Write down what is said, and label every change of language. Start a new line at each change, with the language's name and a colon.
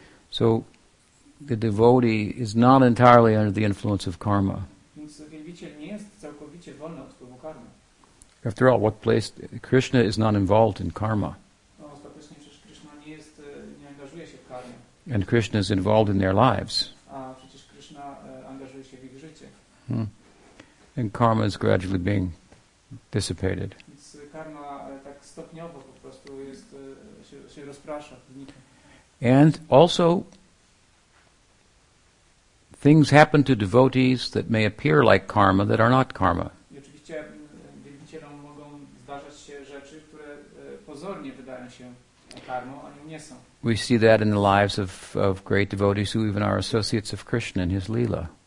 English: So the devotee is not entirely under the influence of karma.
Polish: Więc wielbiciel nie jest całkowicie wolny od wpływu karmy.
English: After all, what place Krishna is not involved in karma.
Polish: No, ostatecznie przecież Krishna nie angażuje się w karmę.
English: And Krishna is involved in their lives.
Polish: A przecież Krishna angażuje się w ich życie.
English: And karma is gradually being dissipated.
Polish: Więc karma tak stopniowo po prostu jest się rozprasza, znika.
English: And also things happen to devotees that may appear like karma that are not karma.
Polish: I oczywiście wielbicielom mogą zdarzać się rzeczy, które pozornie wydają się karmą, a nie są.
English: We see that in the lives of great devotees who even are associates of Krishna and his lila.